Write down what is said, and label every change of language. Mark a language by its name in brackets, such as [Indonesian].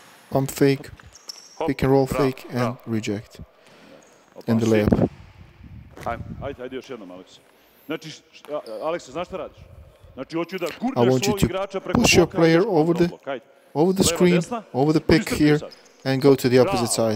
[English] Pump fake, pick and roll fake, and reject. And the layup. [Serbian] Ajde, ajde još jednom, Aleksa. Znači, Aleksa, znaš šta radiš? Znači, hoću da gurneš svog igrača preko [English] push your player over the screen, over the pick here, and go to the opposite side.